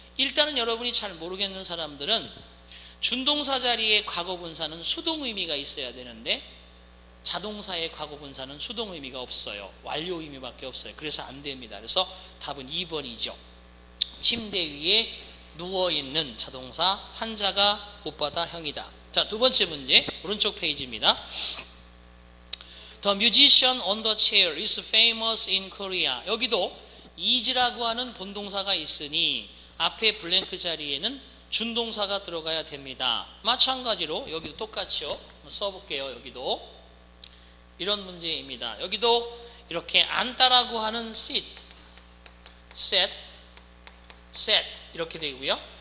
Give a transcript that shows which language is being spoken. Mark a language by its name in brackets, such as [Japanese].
[Korean] 일단은 여러분이 잘 모르겠는 사람들은 준동사 자리에 과거분사는 수동 의미가 있어야 되는데 자동사의 과거분사는 수동 의미가 없어요. 완료 의미밖에 없어요. 그래서 안 됩니다. 그래서 답은 2번이죠. 침대 위에 누워있는 자동사 환자가 오빠다 형이다. 자, 두 번째 문제 오른쪽 페이지입니다. [English] The musician on the chair is famous in Korea. [Korean] 여기도 is라고 하는 본동사가 있으니 앞에 블랭크 자리에는 준동사가 들어가야 됩니다. 마찬가지로 여기도 똑같이요. 써볼게요. 여기도 이런 문제입니다. 여기도 이렇게 앉다라고 하는 [English] sit, set, set [Korean] 이렇게 되고요.